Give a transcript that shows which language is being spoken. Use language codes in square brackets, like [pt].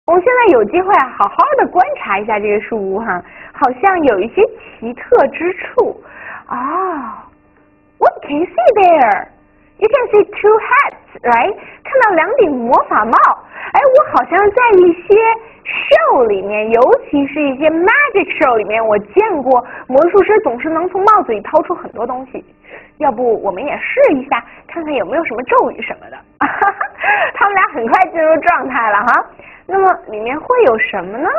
[zh] 我现在有机会好好的观察一下这个树屋哈，好像有一些奇特之处。 [en] 哦，What can you see there? You can see two hats, right? [zh] 看到两顶魔法帽。哎，我好像在一些 show 里面，尤其是一些 [en] magic show [zh] 里面，我见过魔术师总是能从帽子里掏出很多东西。要不我们也试一下，看看有没有什么咒语什么的。他们俩很快进入状态了哈。那么里面会有什么呢？